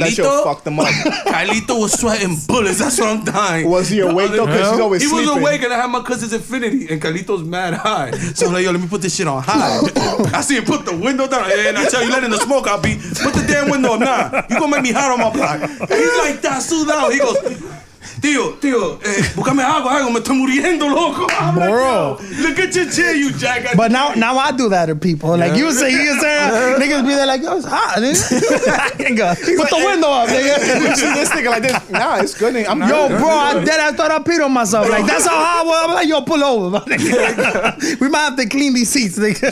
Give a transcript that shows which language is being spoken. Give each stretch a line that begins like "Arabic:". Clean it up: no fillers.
English: That shit fucked them up. Kylito was sweating bullets. That's what I'm dying. Was he awake though? Because he's always sleeping. He was awake and I had my cousin's Infinity. And Kylito's mad high. So I'm like, yo, let me put this shit on high. I see him put the window down. And I tell you, letting the smoke out, B. Put the damn window up. Nah, you gonna make me hot on my block. He's like, that's so loud. He goes...
Spanish: Tio, buscame agua, algo, me estoy muriendo, loco.
English: I'm bro. Like, look at your chair, you jackass. But now I do that to people. Like, yeah. you say, niggas be there like, yo, it's hot, dude. Put the window up, nigga. This nigga like this. Nah, it's good, nigga. I thought I peed on myself. Like, that's how hot I was. I'm like, yo, pull over, my nigga. We might have to clean these seats, nigga.